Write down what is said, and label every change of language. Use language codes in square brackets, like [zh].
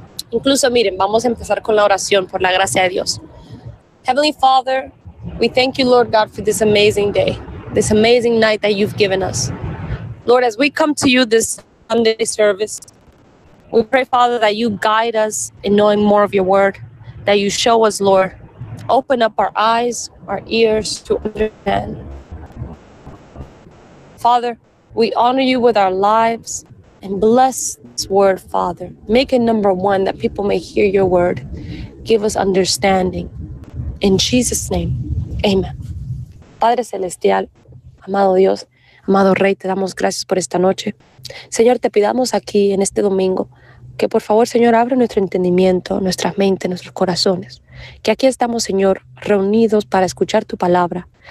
[es] Incluso, miren, vamos a empezar con la oración por la gracia de Dios. [en] Heavenly Father, we thank you, Lord God, for this amazing day, this amazing night that you've given us. Lord, as we come to you this Sunday service, we pray, Father, that you guide us in knowing more of your word, that you show us, Lord. Open up our eyes, our ears to understand. Father, we honor you with our lives and bless this word, Father. Make it number one that people may hear your word. Give us understanding. In Jesus' name, amen. [es] Padre Celestial, amado Dios, amado Rey, te damos gracias por esta noche. Señor, te pidamos aquí en este domingo que por favor, Señor, abra nuestro entendimiento, nuestras mentes, nuestros corazones. Que aquí estamos, Señor, reunidos para escuchar tu palabra.